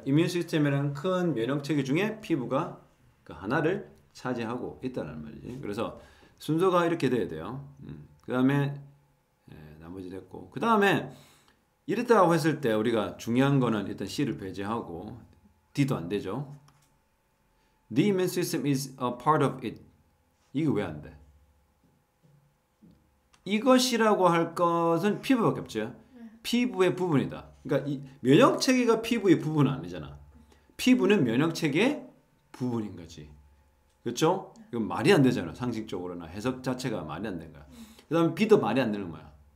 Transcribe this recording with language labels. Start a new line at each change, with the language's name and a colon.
Korean: immune system이라는 큰 면역체계 중에 피부가 그 하나를 차지하고 있다는 말이지. 그래서 순서가 이렇게 돼야 돼요. 그 다음에 나머지 됐고, 그 다음에 이랬다고 했을 때 우리가 중요한 거는 일단 C를 배제하고 D도 안 되죠.
English: The immune system is a part of it.
Korean: 이게 왜안 돼? 이것이라고 할 것은 피부밖에 없죠. 피부의 부분이다. 그러니까 이 면역체계가 피부의 부분은 아니잖아. 피부는 면역체계의 부분인 거지. 그렇죠? 이건 말이 안 되잖아. 상식적으로나 해석 자체가 말이 안 되는 거야. 그 다음 B도 말이 안 되는 거야.